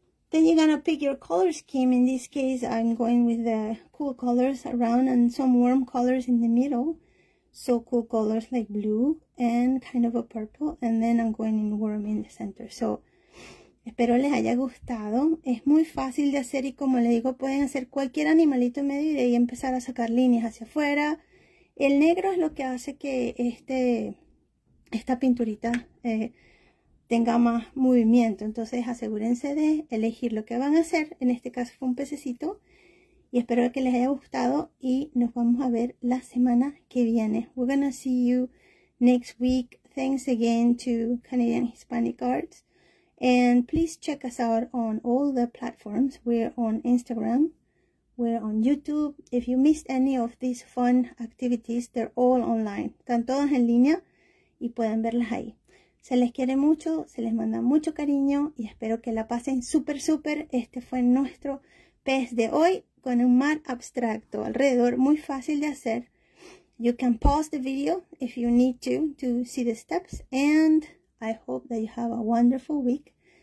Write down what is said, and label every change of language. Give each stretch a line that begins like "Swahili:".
English: Then you're gonna pick your color scheme. In this case, I'm going with the cool colors around and some warm colors in the middle. So cool colors like blue and kind of a purple, and then I'm going in warm in the center.
Spanish: So espero les haya gustado. Es muy fácil de hacer y como les digo, pueden hacer cualquier animalito en medio y de ahí empezar a sacar líneas hacia afuera. El negro es lo que hace que esta pinturita tenga más movimiento. Entonces asegúrense de elegir lo que van a hacer. En este caso fue un pececito. Y espero que les haya gustado y nos vamos a ver la semana que viene.
English: We're gonna see you next week. Thanks again to Canadian Hispanic Arts. And please check us out on all the platforms. We're on Instagram. We're on YouTube. If you missed any of these fun activities, they're all online.
Spanish: Están todas en línea y pueden verlas ahí. Se les quiere mucho, se les manda mucho cariño y espero que la pasen súper, súper. Este fue nuestro pez de hoy con un mar abstracto alrededor, muy fácil de hacer.
English: You can pause the video if you need to see the steps. And I hope that you have a wonderful week.